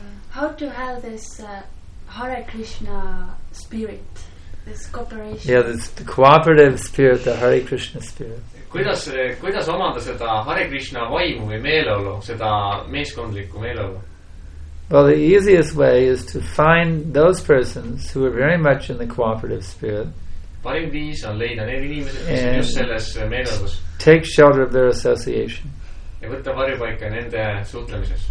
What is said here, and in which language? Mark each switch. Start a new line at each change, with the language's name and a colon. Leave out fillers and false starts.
English: How to have this Hare Krishna spirit? This cooperation. Yeah, this the cooperative spirit, the Hare Krishna spirit.
Estonian: Kuidas omada seda Hare Krishna vaimu või meeleolu, seda meeskondliku meeleolu?
English: Well, the easiest way is to find those persons who are very much in the cooperative spirit.
Estonian: Parim viis on leida need inimesed, kes on just selles meeleolus.
English: Take shelter of their association.
Estonian: Ja võtta varjupaika nende suhtlemises.